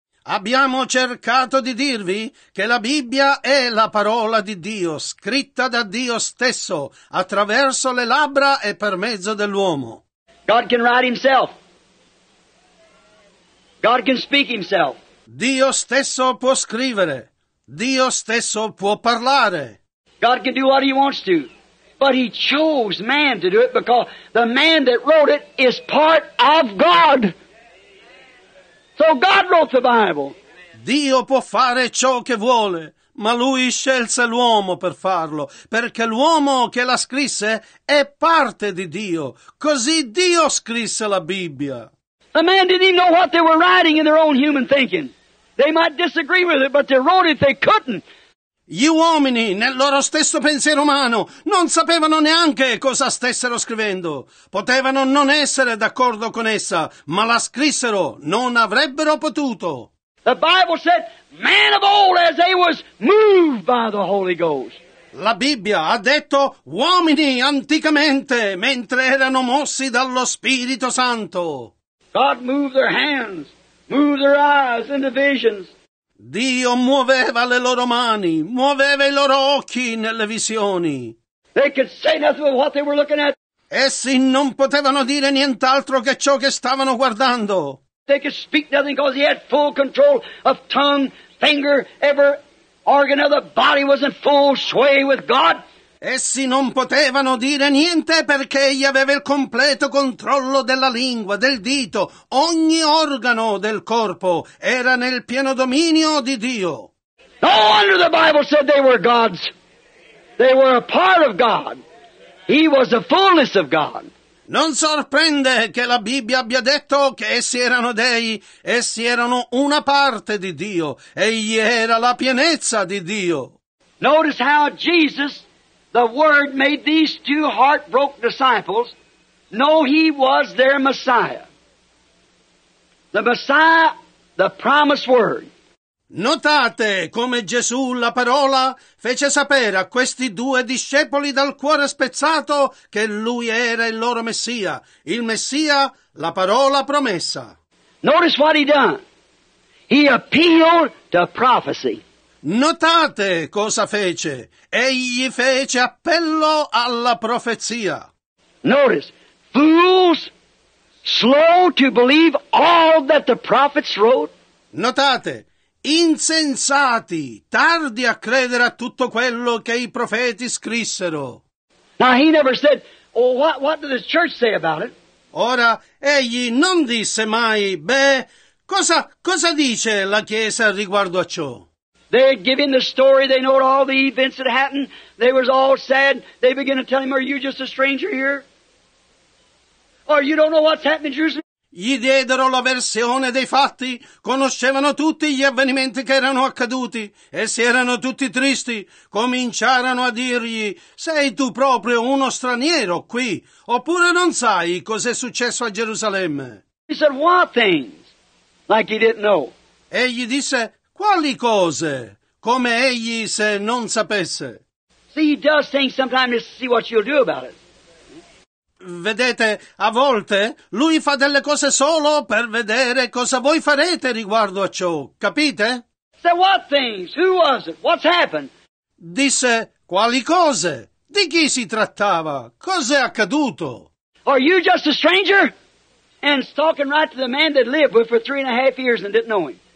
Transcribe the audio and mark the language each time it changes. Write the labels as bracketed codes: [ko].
[it] Abbiamo cercato di dirvi che la Bibbia è la parola di Dio, scritta da Dio stesso, attraverso le labbra e per mezzo dell'uomo. [en] God can write Himself. God can speak Himself. [it] Dio stesso può scrivere. Dio stesso può parlare. [en] God can do what He wants to. But he chose man to do it because the man that wrote it is part of God. So God wrote the Bible. [it] Dio può fare ciò che vuole, ma lui scelse l'uomo per farlo, perché l'uomo che la scrisse è parte di Dio. Così Dio scrisse la Bibbia. [en] The man didn't even know what they were writing in their own human thinking. They might disagree with it, but they wrote it, they couldn't. [it] Gli uomini, nel loro stesso pensiero umano, non sapevano neanche cosa stessero scrivendo. Potevano non essere d'accordo con essa, ma la scrissero, non avrebbero potuto. [en] The Bible said, man of old as they was moved by the Holy Ghost. [it] La Bibbia ha detto, uomini anticamente, mentre erano mossi dallo Spirito Santo. [en] God moved their hands, moved their eyes into visions. [it] Dio muoveva le loro mani, muoveva i loro occhi nelle visioni. [en] They could say nothing of what they were looking at. [it] Essi non potevano dire nient'altro che ciò che stavano guardando. [en] They could speak nothing because he had full control of tongue, finger, every organ of the body was in full sway with God. [it] Essi non potevano dire niente perché egli aveva il completo controllo della lingua, del dito. Ogni organo del corpo era nel pieno dominio di Dio. [en] No wonder the Bible said they were gods. They were a part of God. He was the fullness of God. [it] Non sorprende che la Bibbia abbia detto che essi erano dei, essi erano una parte di Dio. Egli era la pienezza di Dio. [en] Notice how Jesus, the Word made these two heartbroken disciples know He was their Messiah. The Messiah, the promised Word. [it] Notate come Gesù, la parola, fece sapere a questi due discepoli dal cuore spezzato che Lui era il loro Messia. Il Messia, la parola promessa. [en] Notice what He done. He appealed to prophecy. [it] Notate cosa fece. Egli fece appello alla profezia. [en] Notice, fools slow to believe all that the prophets wrote. [it] Notate, insensati, tardi a credere a tutto quello che i profeti scrissero. [en] Now he never said, oh, what did the church say about it? [it] Ora, egli non disse mai, beh, cosa dice la Chiesa riguardo a ciò? [en] They had given the story, they know all the events that happened, they was all sad, they began to tell him, are you just a stranger here? Or you don't know what's happened in Jerusalem? [it] Gli diedero la versione dei fatti, conoscevano tutti gli avvenimenti che erano accaduti, e si erano tutti tristi, cominciarono a dirgli, sei tu proprio uno straniero qui, oppure non sai cos'è successo a Gerusalemme? [en] He said, what things? Like he didn't know. [it] E gli disse, quali cose? Come egli se non sapesse. [en] See, he does things sometimes to see what you'll do about it. [it] Vedete, a volte lui fa delle cose solo per vedere cosa voi farete riguardo a ciò. Capite? [en] So what things? Who was it? What's happened? [it] Disse, quali cose? Di chi si trattava? Cos'è accaduto? [en] Are you just a stranger? and talking right to the man that lived with for 3.5 years and didn't know him.